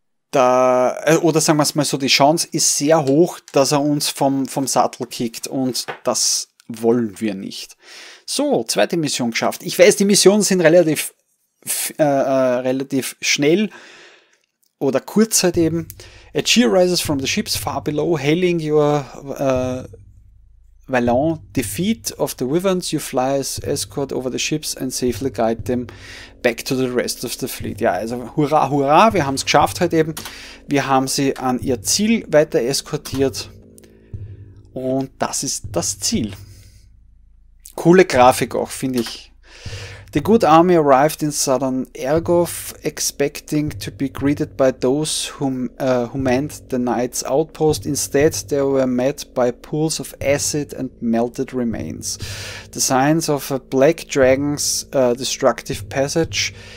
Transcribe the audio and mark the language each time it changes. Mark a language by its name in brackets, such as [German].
[German] oder sagen wir es mal so, die Chance ist sehr hoch, dass er uns vom Sattel kickt. Und das wollen wir nicht. So, zweite Mission geschafft. Ich weiß, die Missionen sind relativ schnell oder kurz halt eben. [English] A cheer rises from the ships far below, hailing your Valon defeat of the Wyverns. You fly as escort over the ships and safely guide them back to the rest of the fleet. [German] Ja, also hurra, hurra, wir haben es geschafft halt eben. Wir haben sie an ihr Ziel weiter eskortiert und das ist das Ziel. Coole Grafik auch, finde ich. [English] The good army arrived in southern Ergov, expecting to be greeted by those who manned the night's outpost. Instead, they were met by pools of acid and melted remains. The signs of a black dragon's destructive passage.